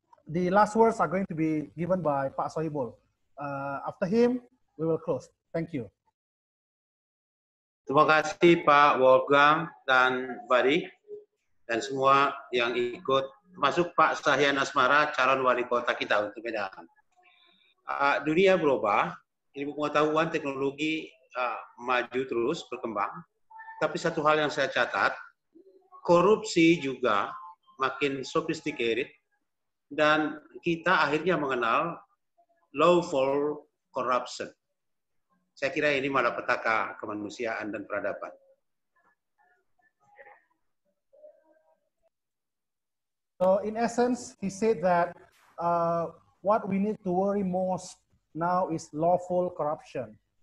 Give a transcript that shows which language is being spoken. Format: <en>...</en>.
<en>The last words are going to be given by Pak Shohibul. After him, we will close. Thank you.</en> <id>Terima kasih Pak Wolfgang dan Badi dan semua yang ikut, termasuk Pak Sahian Asmara, calon wali kota kita untuk Medan. Dunia berubah, ilmu pengetahuan, teknologi maju terus berkembang. Tapi satu hal yang saya catat, korupsi juga makin sophisticated dan kita akhirnya mengenal lawful corruption. Saya kira ini malapetaka kemanusiaan dan peradaban.</id> <en>So in essence, he said that what we need to worry most now is lawful corruption.</en>